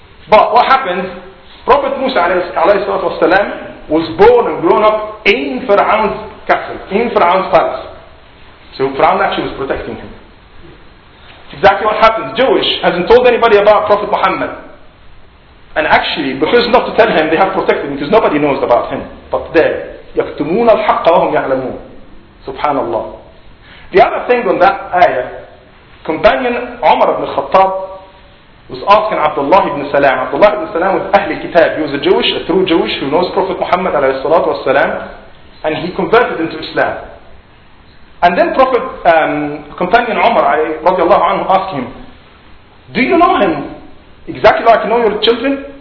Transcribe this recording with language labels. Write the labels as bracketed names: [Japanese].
[English] But what happened, Prophet Musa alayhi salatu wasalam was born and grown up in Fir'aun's castle, in Fir'aun's palace. So Fir'aun actually was protecting him. Exactly what happened. Jewish hasn't told anybody about Prophet Muhammad. And actually, because not to tell him, they have protected him because nobody knows about him. But they, [Arabic] يَكْتُمُونَ الْحَقَّ وَهُمْ يَعْلَمُونَ. Subhanallah. [English] The other thing on that ayah, companion Umar ibn Khattab was asking Abdullah ibn Salam. Abdullah ibn Salam was Ahli Kitab. He was a Jewish, a true Jewish, who knows Prophet Muhammad alayhi salatu wasalam. and he converted into Islam. And then Prophet companion Umar radiallahu anhu asked him, "Do you know him exactly like you know your children?"